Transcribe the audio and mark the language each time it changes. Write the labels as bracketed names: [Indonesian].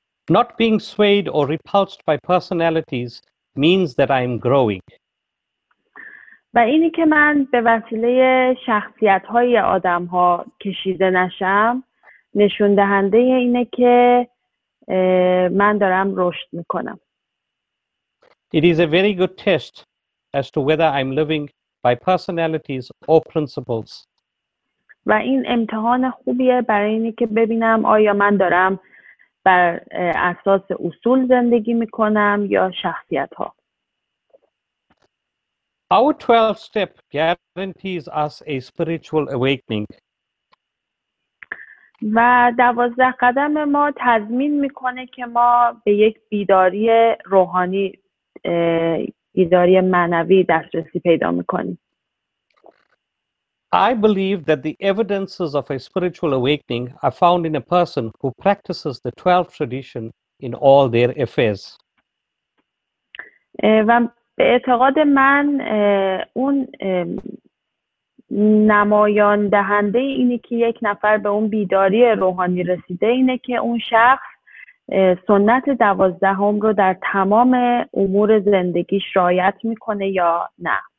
[English] Not being swayed or repulsed by personalities means that I'm growing. [Persian] و اینی که من به وسیله شخصیت‌های آدم‌ها کشیده نشم نشون دهنده اینه که من دارم رشد می‌کنم. [English] It is a very good test as to whether I'm living by personalities or principles. [Persian] و این امتحان خوبیه برای اینی که ببینم آیا من دارم بر اساس اصول زندگی میکنم یا شخصیت ها. [English] Our 12 step guarantees us a spiritual awakening. [Persian] و 12 قدم ما تضمین میکنه که ما به یک بیداری روحانی بیداری معنوی دسترسی پیدا میکنیم. [English] I believe that the evidences of a spiritual awakening are found in a person who practices the 12 tradition in all their affairs. [Persian] و به اعتقاد من اون نمایان دهنده اینه که یک نفر به اون بیداری روحانی رسیده اینه که اون شخص سنت 12 رو در تمام امور زندگیش رعایت میکنه یا نه.